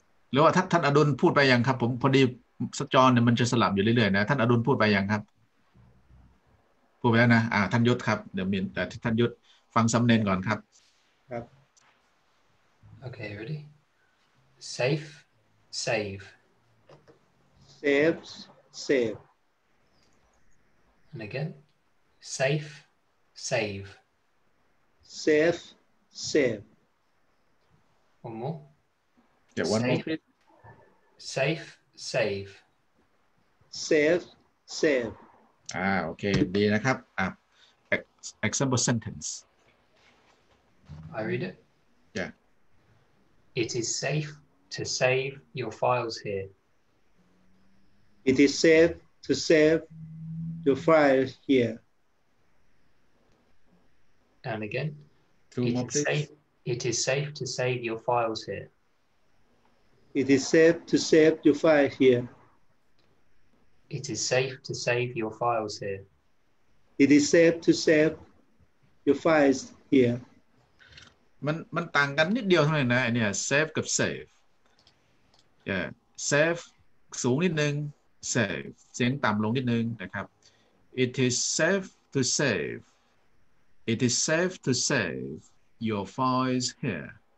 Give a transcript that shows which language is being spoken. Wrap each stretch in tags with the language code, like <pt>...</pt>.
<th>หรือว่าท่านอดุลพูดไปยังครับผมพอดีสจรเนี่ยมันจะสลับอยู่เรื่อยๆนะท่านอดุลพูดไปยังครับพูดไปแล้วนะท่านยศครับเดี๋ยวมีแต่ท่านยศฟังสำเนียงก่อนครับ ครับ</th> <en>โอเค ready safe save saves save and again safeSave. Safe. Save. One more. Yeah, one more. Safe. Save. Safe. Save. Okay.</en> <th>ดีนะครับ</th> <en>example sentence. I read it. Yeah. It is safe to save your files here. It is safe to save your files here. And again, it is safe to save your files here. It is safe to save your files here. It is safe to save your files here. It is safe to save your files here.</en> <th>มันต่างกันนิดเดียวเท่านั้นนะเนี่ย save กับ save. Yeah, save สูงนิดนึง save เสียงต่ำลงนิดนึงนะครับ</th> <en>It is safe to saveIt is safe to save your files here.</en>